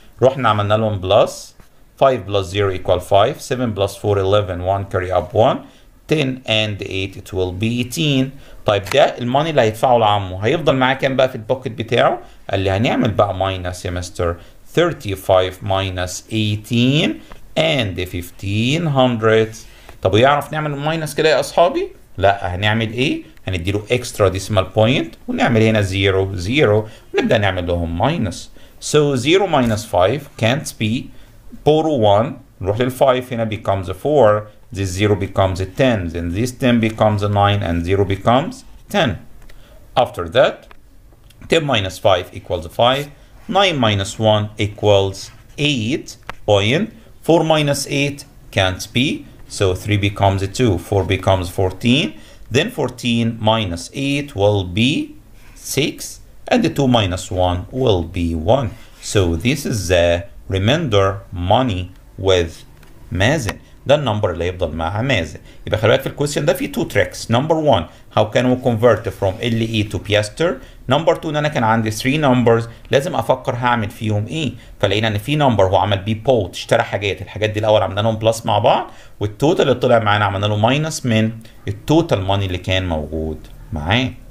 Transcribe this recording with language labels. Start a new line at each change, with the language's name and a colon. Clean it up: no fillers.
Arabic: روحنا عملنا لهم
English: plus 5 plus 0 equal 5, 7 plus 4 11, 1 carry up 1, 10 and 8 it will be 18.
Arabic: طيب ده الماني اللي هيدفعه لعمه هيفضل معاه كام بقى في البوكت بتاعه؟ قال لي هنعمل بقى minus يا مستر 35 minus 18 and 1500. طب ويعرف نعمل minus كده يا اصحابي؟ لا هنعمل ايه؟ هنديله
English: extra decimal point
Arabic: ونعمل هنا 0 0 ونبدا نعمل لهم minus.
English: So 0 minus 5 can't be Poro 1,
Arabic: نروح لل 5 هنا
English: becomes a 4, this 0 becomes a 10, then this 10 becomes a 9 and 0 becomes 10. After that, 10 minus 5 equals 5, 9 minus 1 equals 8 point, 4 minus 8 can't be, so 3 becomes a 2, 4 becomes 14, then 14 minus 8 will be 6, and the 2 minus 1 will be 1. So this is the remainder money with مازن.
Arabic: ده النمبر اللي هيفضل مع مازن. يبقى خلي بالك في الكويستشن ده في
English: 2 tricks. Number 1 how can we convert from LE to piaster. Number 2
Arabic: ان انا كان عندي 3 numbers لازم افكر هعمل فيهم ايه. فلقينا ان في نمبر هو عمل بيه بوت اشترى حاجات. الحاجات دي الاول عملنا لهم بلس مع بعض والتوتال اللي طلع معانا عملنا له ماينس من التوتال ماني اللي كان موجود معاه.